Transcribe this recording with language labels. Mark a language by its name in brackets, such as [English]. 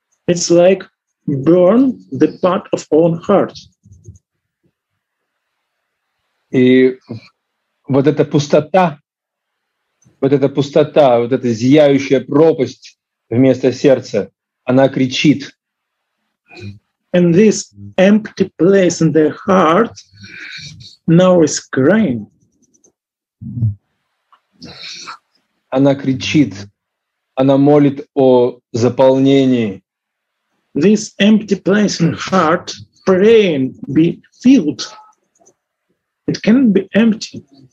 [English] It's like burn the part of own heart. [Russian] И вот эта пустота, вот эта зияющая пропасть вместо сердца, она кричит. [English] And this empty place in the heart now is crying. [Russian] Она кричит, она молит о заполнении. [English] This empty place in heart praying be filled. It cannot be empty.